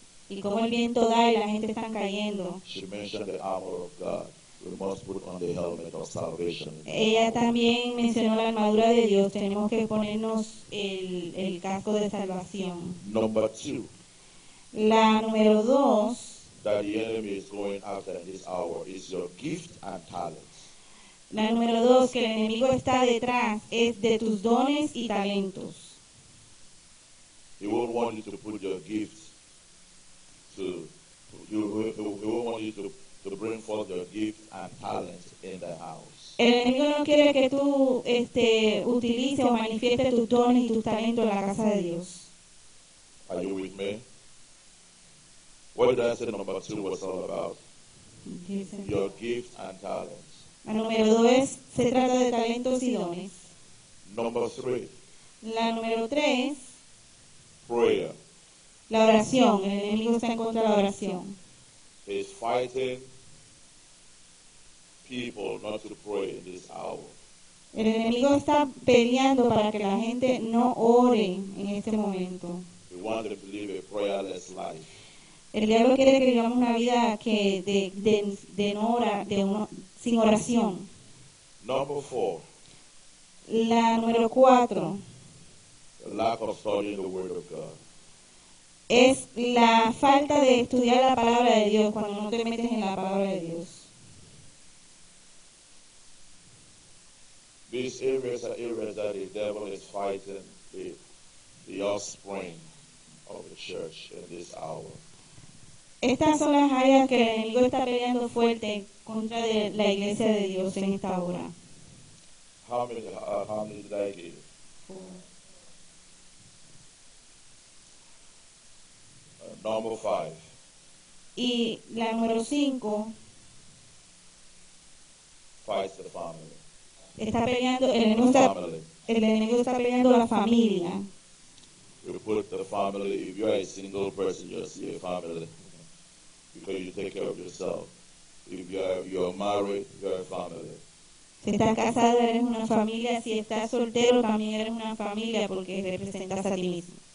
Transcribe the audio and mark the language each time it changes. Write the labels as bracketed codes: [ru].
[es] Y como el viento da y la gente está cayendo. [en] She mentioned the armor of God. We must put on the helmet of salvation. [es] Ella también mencionó la armadura de Dios. Tenemos que ponernos el casco de salvación. [en] Number two. [es] La número dos. [en] That the enemy is going after in this hour is your gift and talents. [es] La número dos que el enemigo está detrás es de tus dones y talentos. [en] He won't want you to put your gifts. He won't want you to bring forth your gifts and talents in the house. [es] El enemigo no quiere que tú utilices o manifiestes tus dones y tus talentos en la casa de Dios. [en] Are you with me? What did I say number two was all about? Your gifts and talents. [es] La número dos se trata de talentos y dones. [en] Number three. [es] La número tres. [en] Prayer. [es] La oración, el enemigo está en contra de la oración. [en] He's fighting people not to pray in this hour. [es] El enemigo está peleando para que la gente no ore en este momento. [en] We want them to live a prayerless life. [es] El diablo quiere que vivamos una vida que de sin oración. [en] Number four. [es] La número cuatro. [en] The lack of studying the word of God. [es] Es la falta de estudiar la palabra de Dios cuando no te metes en la palabra de Dios. [en] These areas are areas that the devil is fighting the offspring of the church in this hour. [es] Estas son las áreas que el enemigo está peleando fuerte contra de la iglesia de Dios en esta hora. [en] How many did I give? Number five. [es] Y la número cinco. [en] Fights the family. [es] Está peleando el enemigo está peleando la familia. [en] You put the family. If you are a single person, you see a family because you take care of yourself. If you are married, you are a family. [es] Si estás casado eres una familia. Si estás soltero también eres una familia porque representas a ti mismo.